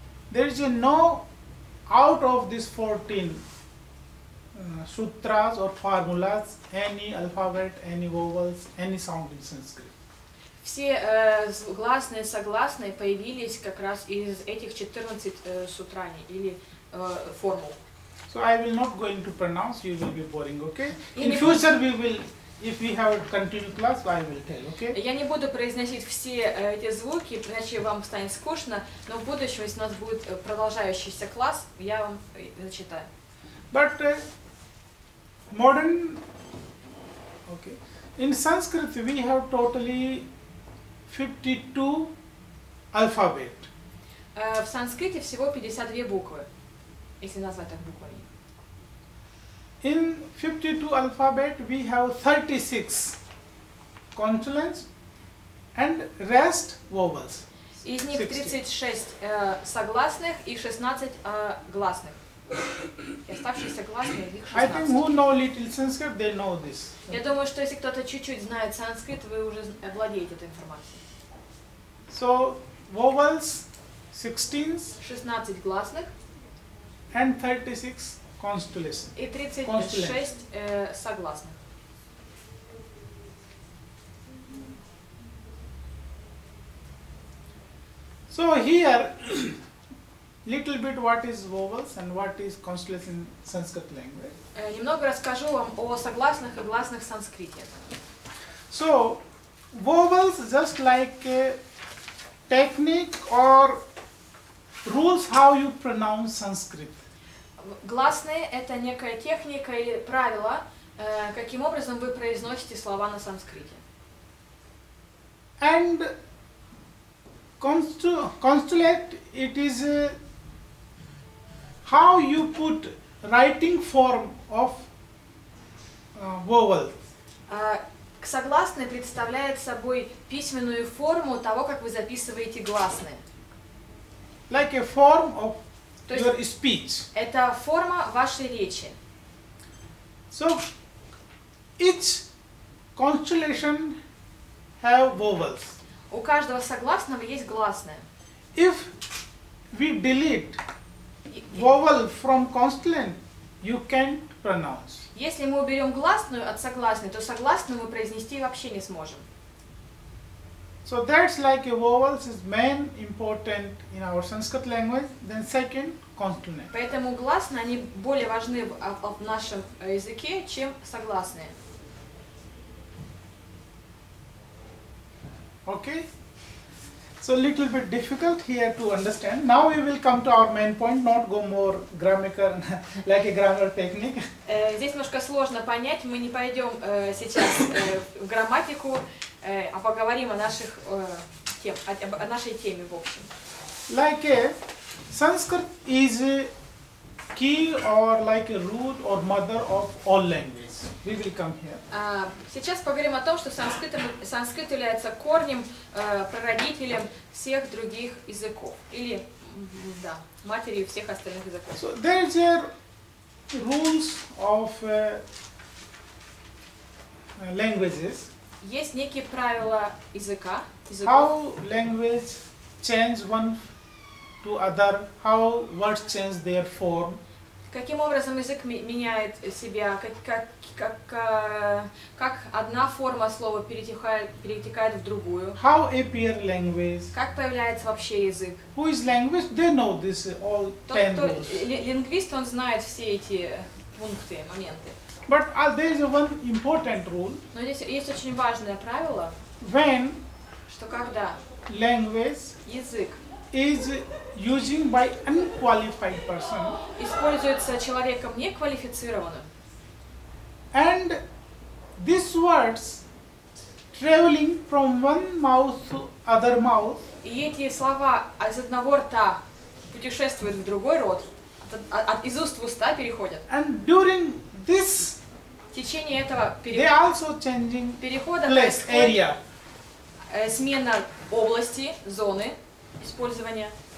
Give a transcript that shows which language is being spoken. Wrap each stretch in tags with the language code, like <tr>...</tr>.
<en>There is no out of these 14 sutras or formulas any alphabet, any vowels, any sound in Sanskrit.</en> <ru>Все гласные, согласные появились как раз из этих 14 сутрани или формул.</ru> <en>So I will not going to pronounce, you will be boring, okay? In future we will, if we have continued class, I will tell, okay?</en> <ru>Я не буду произносить все эти звуки, иначе вам станет скучно, но в будущем, если у нас будет продолжающийся класс, я вам зачитаю.</ru> <en>But modern, okay, in Sanskrit we have totally 52 alphabet.</en> <ru>В санскрите всего 52 буквы, если назвать так буквами.</ru> <en>In 52 alphabet we have 36 consonants and rest vowels.</en> <ru>Из них 36 согласных и 16 гласных. Оставшиеся гласные, их 16.</ru> <en>I think who know little Sanskrit, they know this.</en> <ru>Я думаю, что если кто-то чуть-чуть знает санскрит, вы уже владеете этой информацией.</ru> <en>So vowels 16.</en> <ru>16 гласных.</ru> <en>And 36 consonants.</en> <ru>И 36 согласных.</ru> <en>So here little bit what is vowels and what is consonants in Sanskrit language.</en> <ru>Немного расскажу вам о согласных и гласных в санскрите.</ru> <en>So vowels just like technique or rules how you pronounce Sanskrit.</en> <ru>Гласные это некая техника или правила, каким образом вы произносите слова на санскрите.</ru> <en>And constellate, it is how you put writing form of vowel.</en> <ru>Согласные представляет собой письменную форму того, как вы записываете гласные.</ru> <en>Like a form of your speech.</en> <ru>Это форма вашей речи.</ru> <en>So each constellation have vowels.</en> <ru>У каждого согласного есть гласные.</ru> <en>If we delete vowel from consonant, you can't pronounce.</en> <ru>Если мы уберем гласную от согласной, то согласную мы произнести вообще не сможем.</ru> <en>So that's like a vowels is main important in our Sanskrit language. Then second, consonant.</en> <ru>Поэтому гласные они более важны в нашем языке, чем согласные.</ru> <en>Okay. So little bit difficult here to understand. Now we will come to our main point, not go more grammar like a grammar technique.</en> <ru>Здесь немножко сложно понять, мы не пойдем сейчас в грамматику, а поговорим о наших о нашей теме в общем.</ru> <en>Like a Sanskrit is a key or like a root or mother of all languages. We will come here.</en> <ru>Сейчас поговорим о том, что санскрит является корнем, прародителем всех других языков. Или, да, матерью всех остальных языков.</ru> <en>So there is a rules of languages.</en> <ru>Есть некие правила языка. Языков.</ru> <en>How language change one to other, how words change their form.</en> <ru>Каким образом язык меняет себя, как одна форма слова перетекает в другую.</ru> <en>How appear language?</en> <ru>Как появляется вообще язык?</ru> <en>Who is language? They know this all ten rules.</en> <ru>Лингвист, он знает все эти пункты, моменты.</ru> <en>But there is one important rule.</en> <ru>Но здесь есть очень важное правило.</ru> <en>When?</en> <ru>Что когда?</ru> <en>Language.</en> <ru>Язык.</ru> <en>Is using by unqualified person.</en> <ru>Используется человеком неквалифицированным.</ru> <en>And these words traveling from one mouth to other mouth.</en> <ru>И эти слова из одного рта путешествуют в другой рот, из уст в уста переходят.</ru> <en>And during this,</en> <ru>в течение этого</ru> <en>they also changing</en> <ru>перехода</ru> <en>place, area.</en> <ru>Смена области, зоны. Использование.</ru>